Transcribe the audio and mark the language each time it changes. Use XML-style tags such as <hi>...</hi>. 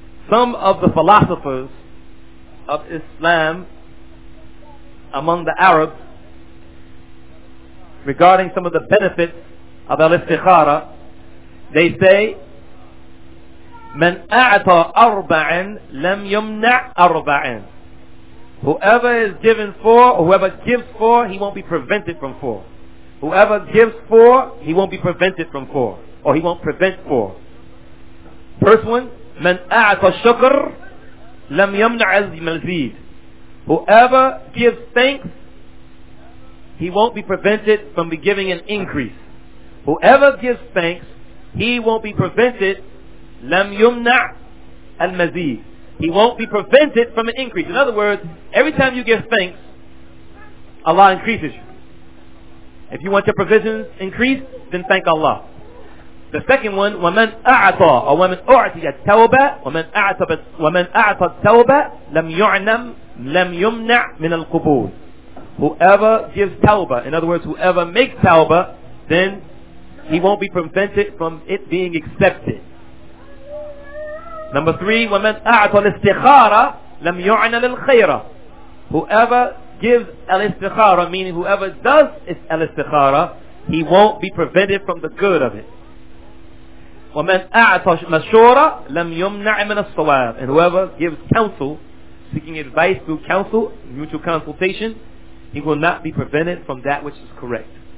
<en>Some of the philosophers of Islam among the Arabs regarding some of the benefits of al-istikhara, they say,</en> <ar>من أعطى أربعا لم يمنع أربعا.</ar> <en>Whoever is given four, or whoever gives four, he won't be prevented from four. Whoever gives four, he won't be prevented from four. Or he won't prevent four. First one,</en> <ar>من أعطى شكر لم يمنع المزيد.</ar> <en>Whoever gives thanks, he won't be prevented from be giving an increase. Whoever gives thanks, he won't be prevented</en> <ar>لم يمنع المزيد.</ar> <en>He won't be prevented from an increase. In other words, every time you give thanks, Allah increases you. If you want your provisions increased, then thank Allah. The second one,</en> <ar>وَمَنْ أَعْطَى أَوْ وَمَنْ أُعْطِيَ التَّوْبَةَ وَمَنْ أَعْطَى التَّوْبَةَ لَمْ يُمْنَعْ مِنَ الْقُبُولِ.</ar> <en>Whoever gives tawbah, in other words, whoever makes tawbah, then he won't be prevented from it being accepted. Number three,</en> <ar>وَمَنْ أَعْطَى الْإِسْتِخَارَ لَمْ يُعْنَى لِلْخَيْرَ.</ar> <en>Whoever gives al-istikhara, meaning whoever does al-istikhara, he won't be prevented from the good of it.</en> <ar>وَمَنْ أَعْطَى مَشُورَ لَمْ يُمْنَعْ مِنَ الصَّوَابِ.</ar> <en>And whoever gives counsel, seeking advice through counsel, mutual consultation, he will not be prevented from that which is correct.</en>